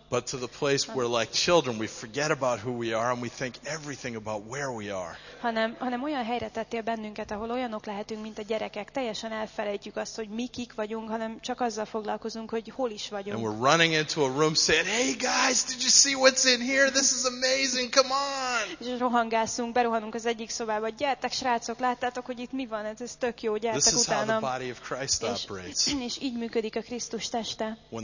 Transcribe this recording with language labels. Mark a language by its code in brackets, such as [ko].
[en] But to the place where like children we forget about who we are and we think everything about where we are. [hu] Hanem olyan helyre tettél bennünket, ahol olyanok lehetünk, mint a gyerekek, teljesen elfelejtjük azt, hogy mi kik vagyunk, hanem csak azzal foglalkozunk, hogy hol is vagyunk. [en] And we're running into a room saying, "Hey guys, did you see what's in here? This is amazing. Come on." [hu] És rohangászunk, berohanunk voltunk az egyik szobában, hogy gyertek, srácok, láttátok, hogy itt mi van, ez tök jó, gyertek utána. És így működik a Krisztus teste.